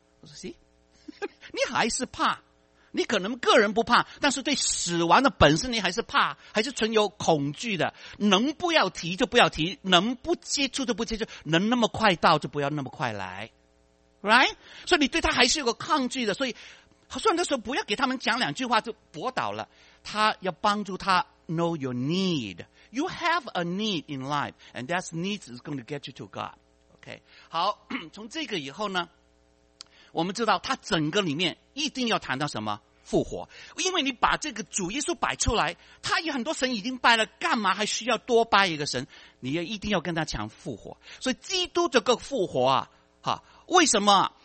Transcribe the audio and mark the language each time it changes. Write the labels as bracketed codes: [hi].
[zh] 我说行，你还是怕。你可能个人不怕，但是对死亡的本身你还是怕，还是存有恐惧的。能不要提就不要提，能不接触就不接触，能那么快到就不要那么快来， right？所以你对他还是有个抗拒的。所以好像那时候不要给他们讲两句话就驳倒了，他要帮助他 [en] know your need。 You have a need in life, and that need is going to get you to God. Okay. [zh] 好，从这个以后呢，我们知道他整个里面一定要谈到什么复活，因为你把这个主耶稣摆出来，他有很多神已经拜了，干嘛还需要多拜一个神？你也一定要跟他讲复活。所以基督这个复活啊，哈，为什么？